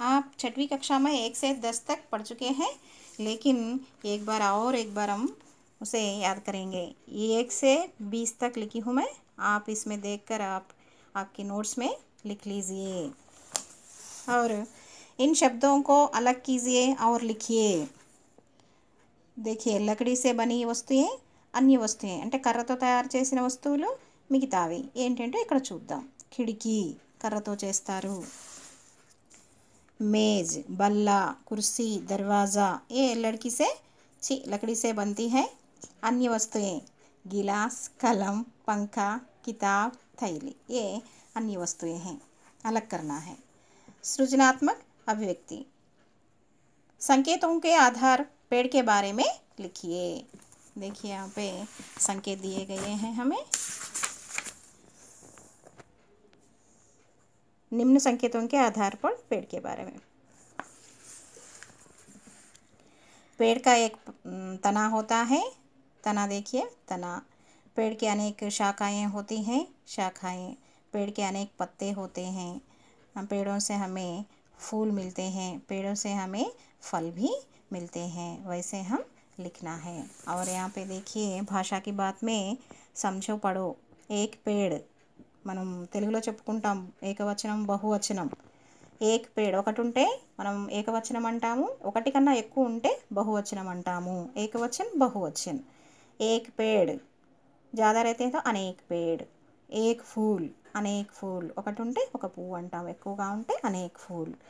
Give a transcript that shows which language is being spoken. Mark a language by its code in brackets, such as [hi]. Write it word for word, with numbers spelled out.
[hi] आप छठवीं कक्षा में एक से दस तक पढ़ चुके हैं, लेकिन एक बार और एक बार हम उसे याद करेंगे। एक से बीस तक लिखी हूँ मैं, आप इसमें देखकर आप आपके नोट्स में लिख लीजिए। और इन शब्दों को अलग कीजिए और लिखिए। देखिए लकड़ी से बनी वस्तुएं [te] అన్ని వస్తాయి అంటే కర్రతో తయారు చేసిన వస్తువులు మిగతావి ఏంటంటే ఇక్కడ చూద్దాం. కిటికీ కర్రతో చేస్తారు, [hi] मेज़ बल्ला कुर्सी दरवाज़ा ये लड़की से छी लकड़ी से बनती है। अन्य वस्तुएं गिलास कलम पंखा किताब थैली ये अन्य वस्तुएं हैं, अलग करना है। सृजनात्मक अभिव्यक्ति संकेतों के आधार पेड़ के बारे में लिखिए। देखिए यहाँ पे संकेत दिए गए हैं हमें। निम्न संकेतों के आधार पर पेड़ के बारे में, पेड़ का एक तना होता है, तना देखिए तना। पेड़ के अनेक शाखाएं होती हैं, शाखाएं। पेड़ के अनेक पत्ते होते हैं, हम पेड़ों से हमें फूल मिलते हैं, पेड़ों से हमें फल भी मिलते हैं, वैसे हम लिखना है। और यहाँ पे देखिए भाषा की बात में समझो पढ़ो। एक पेड़ [te] మనం తెలుగులో చెప్పుకుంటాం ఏకవచనం బహువచనం. [hi] ఏక్ పేడ్ [te] ఒకటి ఉంటే మనం ఏకవచనం అంటాము, ఒకటి కన్నా ఎక్కువ ఉంటే బహువచనం అంటాము. [hi] ఏకవచన్ బహువచన్. ఏక్ పేడ్ ज़्यादा रहते हैं तो अनेक पेड़। एक फूल अनेक फूल [te] ఒకటి ఉంటే ఒక పువ్వు అంటాం, ఎక్కువగా ఉంటే [hi] अनेक फूल।